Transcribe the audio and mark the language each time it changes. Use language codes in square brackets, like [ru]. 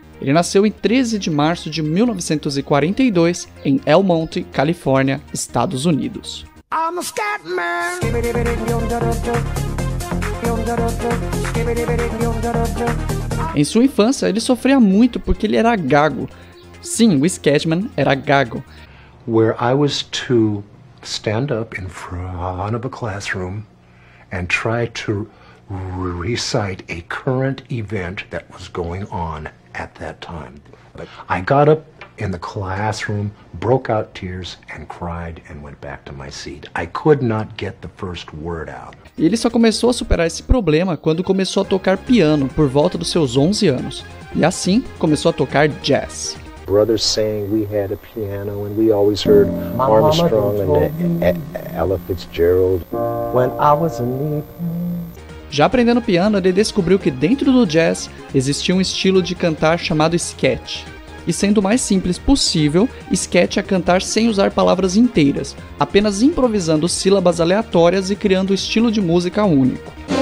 [pt] Ele nasceu em 13 de março de 1942 em El Monte, Califórnia, Estados Unidos. [en] I'm a Scatman! [pt] Em sua infância, ele sofria muito porque ele era gago. Sim, o Scatman era gago. [en] Where I was to stand up in front of a classroom and try to recite a current event that was going on at that time. But I got up in the classroom, broke out tears and cried and went back to my seat. I could not get the first word out. [pt] E ele só começou a superar esse problema quando começou a tocar piano por volta dos seus 11 anos. E assim, começou a tocar jazz. [en] Brothers sang, we had a piano, and we always heard Armstrong and Ella Fitzgerald. When I was a neep. [pt] Já aprendendo piano, ele descobriu que dentro do jazz existia um estilo de cantar chamado scat. E sendo o mais simples possível, scat é cantar sem usar palavras inteiras, apenas improvisando sílabas aleatórias e criando um estilo de música único.